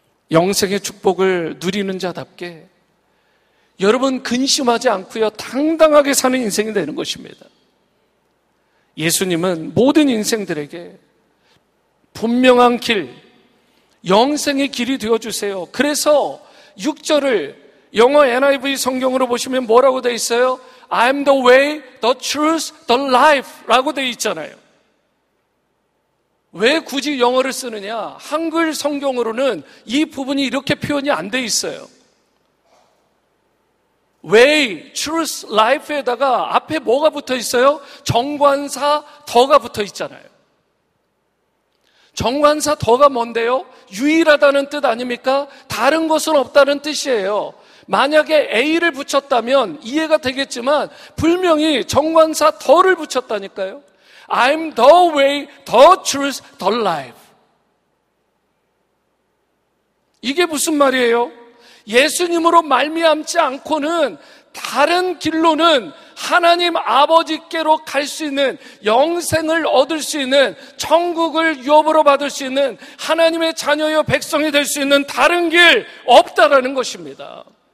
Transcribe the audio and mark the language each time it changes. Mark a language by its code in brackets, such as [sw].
[ko] 영생의 축복을 누리는 자답게 여러분 근심하지 않고요, 당당하게 사는 인생이 되는 것입니다. 예수님은 모든 인생들에게 분명한 길, 영생의 길이 되어주세요. 그래서 6절을 영어 NIV 성경으로 보시면 뭐라고 되어 있어요? [en] I'm the way, the truth, the life [ko] 라고 되어 있잖아요. 왜 굳이 영어를 쓰느냐? 한글 성경으로는 이 부분이 이렇게 표현이 안 되어 있어요. way, truth, life에다가 앞에 뭐가 붙어 있어요? 정관사, 더가 붙어 있잖아요. 정관사, 더가 뭔데요? 유일하다는 뜻 아닙니까? 다른 것은 없다는 뜻이에요. 만약에 A를 붙였다면 이해가 되겠지만 분명히 정관사 더를 붙였다니까요. [en] I'm the way, the truth, the life. [ko] 이게 무슨 말이에요? 예수님으로 말미암지 않고는 다른 길로는 하나님 아버지께로 갈 수 있는 영생을 얻을 수 있는 천국을 유업으로 받을 수 있는 하나님의 자녀여 백성이 될 수 있는 다른 길 없다라는 것입니다.